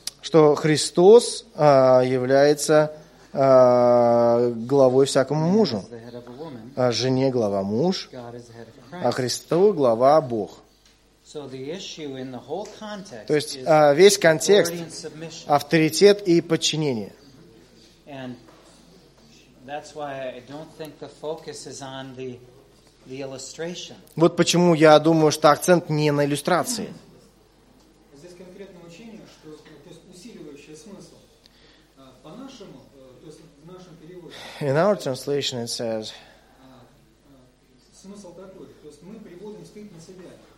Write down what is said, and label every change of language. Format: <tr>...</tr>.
<ru>Что Христос является главой всякому мужу. А жене глава муж, а Христу глава Бог.</ru> <en>So the issue in the whole context.</en> <ru>То есть весь контекст авторитет и подчинение.</ru> <en>That's why I don't think the focus is on the illustration.</en> <ru>Вот почему я думаю, что акцент не на иллюстрации. Здесь конкретное учение, что то есть усиливающее смысл. По нашему, то есть в нашем переводе.</ru> <en>In our translation it says.</en> <ru>Смысл такой, то есть мы приводим стыд на себя.</ru>